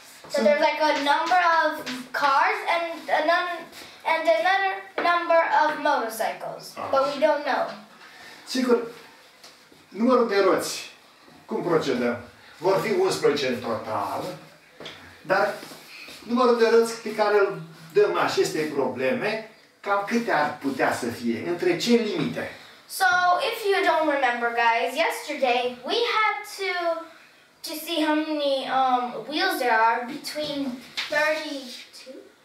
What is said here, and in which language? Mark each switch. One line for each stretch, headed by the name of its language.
English: So there's like a number of cars and another number of motorcycles, but we don't know.
Romanian: Sigur, numărul de roți, cum procedăm? Vor fi 11 în total, dar numărul de roți pe care îl dăm aceste probleme, cam câte ar putea să fie? Între ce limite?
English: So, if you don't remember, guys, yesterday we had to see how many wheels there are between 32?